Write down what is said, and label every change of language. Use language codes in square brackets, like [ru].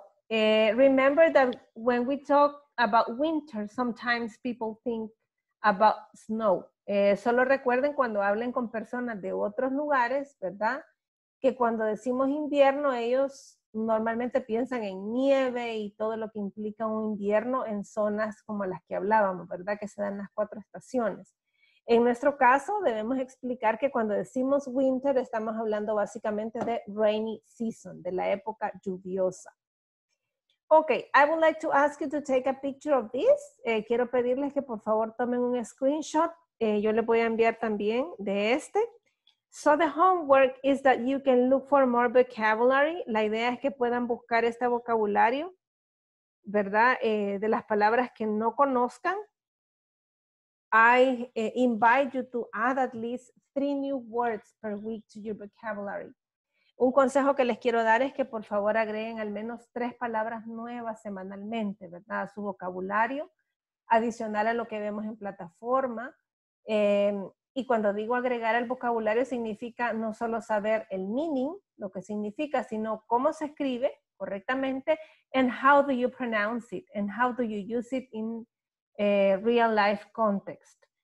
[en] Remember that when we talk about winter, sometimes people think about snow. [es] Solo recuerden cuando hablen con personas de otros lugares, ¿verdad? Que cuando decimos invierno, ellos normalmente piensan en nieve y todo lo que implica un invierno en zonas como las que hablábamos, ¿verdad? Que se dan las cuatro estaciones. En nuestro caso, debemos explicar que cuando decimos winter, estamos hablando básicamente de rainy season, de la época lluviosa. [en] Okay, I would like to ask you to take a picture of this. [es] Quiero pedirles que por favor tomen un screenshot. Yo le voy a enviar también de este. [en] So the homework is that you can look for more vocabulary. [es] La idea es que puedan buscar este vocabulario, ¿verdad? De las palabras que no conozcan. [en] I invite you to add at least 3 new words per week to your vocabulary. [es] Un consejo que les quiero dar es que por favor agreguen al menos 3 palabras nuevas semanalmente, ¿verdad? A su vocabulario, adicional a lo que vemos en plataforma. Y cuando digo agregar al vocabulario significa no solo saber el meaning, lo que significa, sino cómo se escribe correctamente, [en] and how do you pronounce it, and how do you use it in real life context.